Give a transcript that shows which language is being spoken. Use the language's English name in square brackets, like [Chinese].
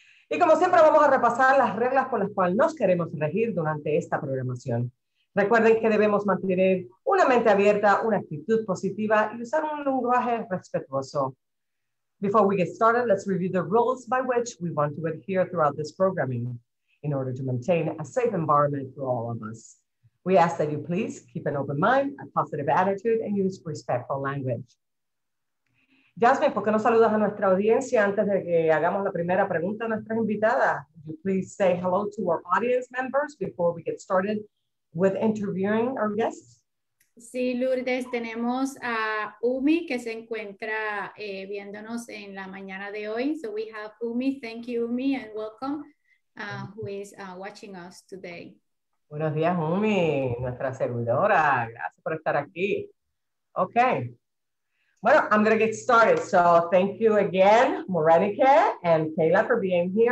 [Spanish] Y como siempre, vamos a repasar las reglas por las cuales nos queremos regir durante esta programación. Recuerden que debemos mantener una mente abierta, una actitud positiva y usar un lenguaje respetuoso. [English] Before we get started, let's review the rules by which we want to adhere throughout this programming in order to maintain a safe environment for all of us. We ask that you please keep an open mind, a positive attitude, and use respectful language. [Spanish] Jasmine, ¿por qué no saludas a nuestra audiencia antes de que hagamos la primera pregunta a nuestras invitadas? [English] Would you please say hello to our audience members before we get started with interviewing our guests? [Spanish] Sí, Lourdes, tenemos a Umi que se encuentra viéndonos en la mañana de hoy. [English] So we have Umi. Thank you, Umi, and welcome, who is watching us today. [Spanish] Buenos días, Umi, nuestra servidora. Gracias por estar aquí. [English] Okay. Well, I'm going to get started. So thank you again, Morenike and Kayla, for being here.